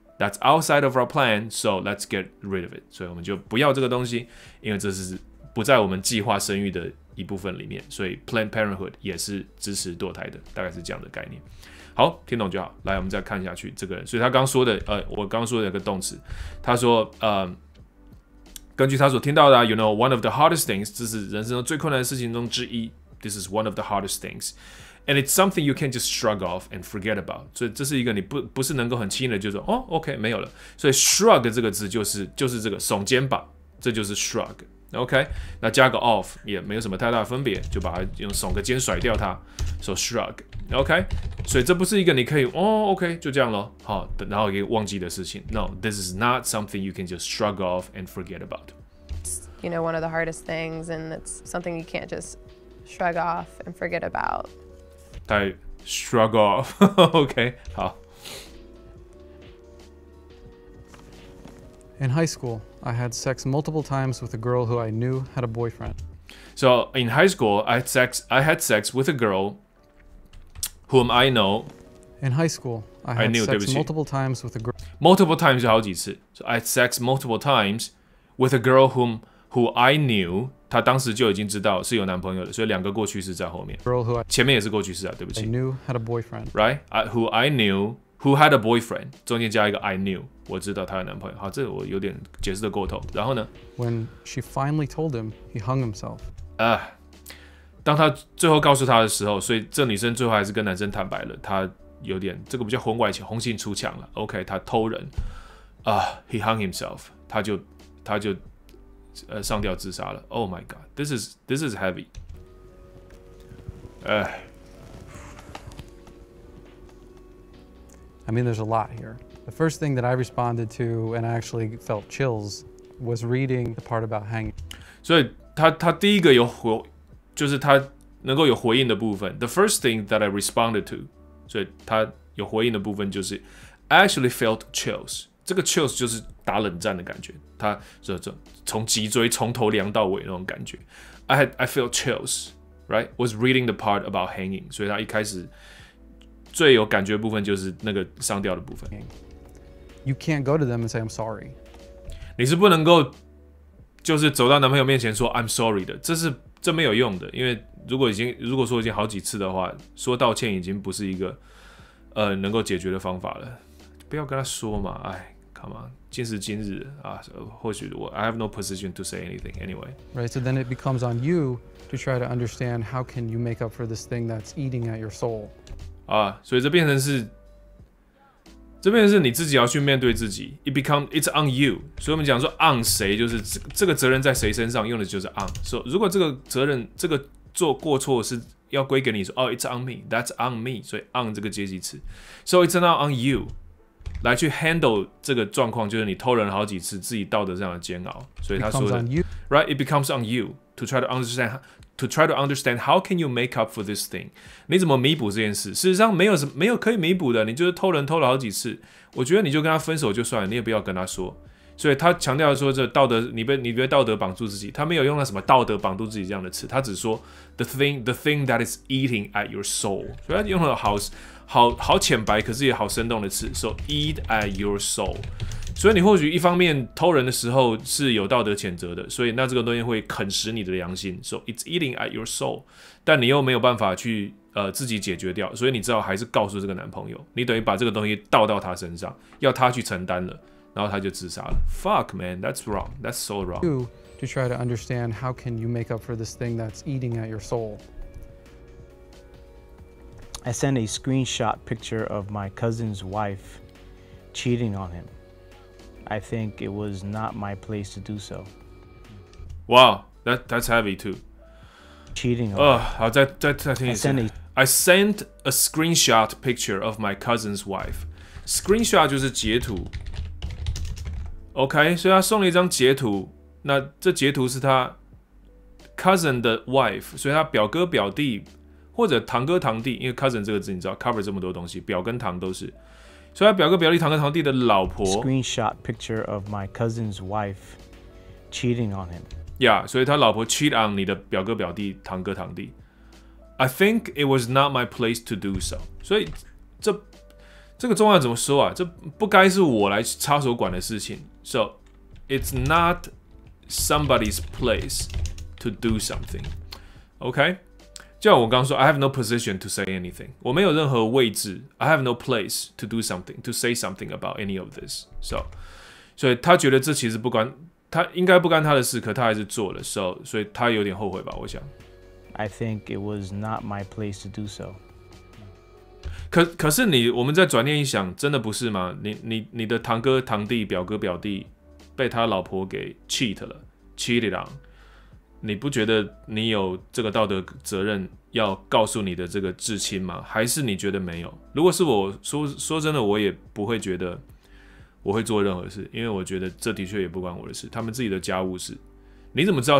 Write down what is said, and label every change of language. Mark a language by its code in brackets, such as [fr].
[en] That's outside of our plan, so let's get rid of it. [zh] 所以我们就不要这个东西，因为这是不在我们计划生育的一部分里面。所以 Planned Parenthood 也是支持堕胎的，大概是这样的概念。好，听懂就好。来，我们再看下去这个人。所以他刚说的，我刚说的一个动词，他说，根据他所听到的、啊、， [en] You know, one of the hardest things， [zh] 这是人生中最困难的事情中之一。 [en] This is one of the hardest things. And it's something you can't just shrug off and forget about. [zh] 所以这是一个你 不是能够很轻易的就说哦 ，OK， 没有了。所以 shrug 这个字就是这个耸肩膀，这就是 shrug。 OK， 那加个 off 也没有什么太大的分别，就把它用耸个肩甩掉它，说 shrug。 OK， 所以这不是一个你可以哦 ，OK， 就这样咯，好，然后给忘记的事情。 [en] No， this is not something you can just shrug off and forget about. You know, one of the hardest things, and it's something you can't just shrug off and forget about. I shrug off. Okay, 好. In high school, I had sex multiple times with a girl who I knew had a boyfriend. So, in high school, I had sex with a girl whom I know. In high school, I had sex multiple times with a girl. Multiple times [zh] 是好几次. [en] So, I had sex multiple times with a girl who I knew. [zh] 他当时就已经知道是有男朋友的，所以两个过去式在后面。前面也是过去式啊，对不起。 [en] I knew had a boyfriend, right? Who I knew, who had a boyfriend. [zh] 中间加一个 [en] I knew, [zh] 我知道他有男朋友。好，这我有点解释的过头。然后呢 [en] ？When she finally told him, he hung himself. [zh] 当他最后告诉他的时候，所以这女生最后还是跟男生坦白了，她有点这个不叫婚外情，红杏出墙了。OK, 她偷人。 [en] He hung himself. [zh] 他就上吊自杀了。 [en] Oh my god, this is heavy. I mean, there's a lot here. The first thing that I responded to and I actually felt chills was reading the part about hanging. [zh] 所以他第一个有回，就是他能够有回应的部分。 [en] The first thing that I responded to, [zh] 所以他有回应的部分就是 [en] actually felt chills. [zh] 这个 chills 就是打冷战的感觉，他从脊椎从头凉到尾那种感觉。 [en] I felt chills, right? Was reading the part about hanging. [zh] 所以他一开始最有感觉的部分就是那个上吊的部分。 [en] You can't go to them and say I'm sorry. [zh] 你是不能够就是走到男朋友面前说 [en] I'm sorry [zh] 的，这没有用的，因为如果说已经好几次的话，说道歉已经不是一个能够解决的方法了。不要跟他说嘛，哎 ， [en] Come on， [zh] 今时今日啊，或许我 [en] I have no position to say anything anyway. Right, so then it becomes on you to try to understand how can you make up for this thing that's eating at your soul. [zh] 啊，所以这变成是你自己要去面对自己。 [en] It's on you。 [zh] 所以我们讲说 on 谁，就是这个责任在谁身上，用的就是 on。所以如果这个责任这个做过错是要归给你说，哦 ， [en] it's on me， that's on me， [zh] 所以 on 这个阶级词。 [en] So it's not on you [zh] 来去 handle 这个状况，就是你偷人好几次，自己道德上的煎熬。所以他说的 [en] ，right， it becomes on you to try to understand how can you make up for this thing？ [zh] 你怎么弥补这件事？事实上没有可以弥补的，你就是偷人偷了好几次，我觉得你就跟他分手就算了，你也不要跟他说。所以他强调说，这道德你被道德绑住自己，他没有用那什么道德绑住自己这样的词，他只说 [en] the thing that is eating at your soul。 [zh] 所以他用了好浅白，可是也好生动的词 ， [en] so eat at your soul。 [zh] 所以你或许一方面偷人的时候是有道德谴责的，所以那这个东西会啃食你的良心 ， [en] so it's eating at your soul。 [zh] 但你又没有办法去自己解决掉，所以你只好还是告诉这个男朋友，你等于把这个东西倒到他身上，要他去承担了。然后他就自杀了。 [en] Fuck man, that's wrong. That's so wrong. To try to understand how can you make up for this thing that's eating at your soul. I sent a screenshot picture of my cousin's wife cheating on him. I think it was not my place to do so. Wow, that's heavy too. Cheating. [zh] 好，再听一次。 [en] I sent a screenshot picture of my cousin's wife. [zh] Screenshot 就是截图。OK， 所以他送了一张截图，那这截图是他 cousin 的 wife， 所以他表哥表弟或者堂哥堂弟，因为 cousin 这个字你知道 cover 这么多东西，表跟堂都是，所以他表哥表弟堂哥堂弟的老婆。 [en] Screenshot picture of my cousin's wife cheating on him. [zh] Yeah， 所以他老婆 cheat on 你的表哥表弟堂哥堂弟。 [en] I think it was not my place to do so. [zh] 所以这个中文怎么说啊？这不该是我来插手管的事情。 [en] So it's not somebody's place to do something. OK， [zh] 就像我刚刚说 [en] ，I have no position to say anything. [zh] 我没有任何位置。 [en] I have no place to do something to say something about any of this. [zh] So， 所以他觉得这其实不关他应该不干他的事，可他还是做了。 So， 所以他有点后悔吧？我想。 [en] I think it was not my place to do so. [zh] 可是你，我们再转念一想，真的不是吗？你的堂哥堂弟表哥表弟被他老婆给 cheated on， 你不觉得你有这个道德责任要告诉你的这个至亲吗？还是你觉得没有？如果是我说真的，我也不会觉得我会做任何事，因为我觉得这的确也不关我的事，他们自己的家务事。你怎么知道？